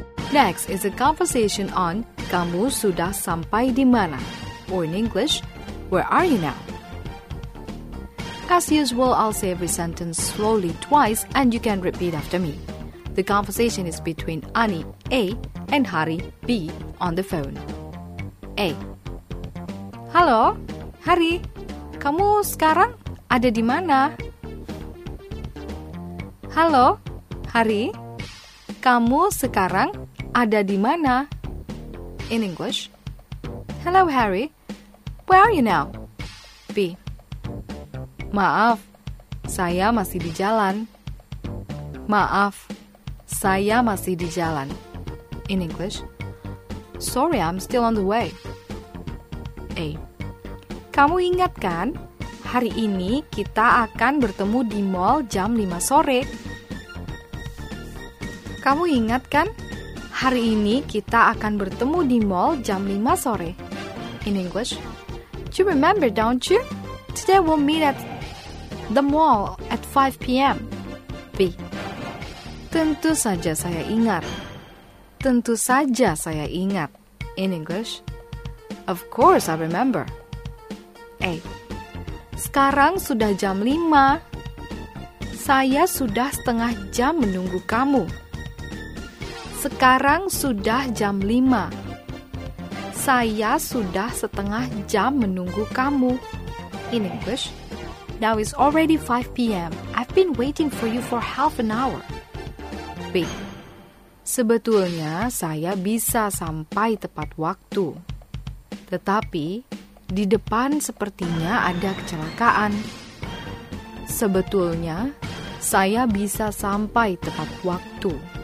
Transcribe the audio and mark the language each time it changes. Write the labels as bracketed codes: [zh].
[en] Next is a conversation on [id] Kamu sudah sampai di mana? [en] Or in English, where are you now? As usual, I'll say every sentence slowly twice and you can repeat after me. The conversation is between Ani A and Hari B on the phone. A. [id] Halo, Hari, kamu sekarang ada di mana? Halo, Hari, kamu sekarang ada di mana? [en] In English, hello Harry, where are you now? B. [id] Maaf, saya masih di jalan. Maaf, saya masih di jalan. [en] In English, sorry, I'm still on the way. A. [id] Kamu ingat kan, hari ini kita akan bertemu di mall jam 5 sore. Kamu ingat kan? Hari ini kita akan bertemu di mall jam 5 sore. [en] In English, you remember, don't you? Today we'll meet at the mall at 5 p.m. B. [id] Tentu saja saya ingat. Tentu saja saya ingat. [en] In English, of course I remember. [id] A. Sekarang sudah jam 5. Saya sudah setengah jam menunggu kamu. Sekarang sudah jam 5. Saya sudah setengah jam menunggu kamu. [en] In English, now it's already 5 p.m. I've been waiting for you for half an hour. B. [id] Sebetulnya saya bisa sampai tepat waktu. Tetapi di depan sepertinya ada kecelakaan. Sebetulnya saya bisa sampai tepat waktu.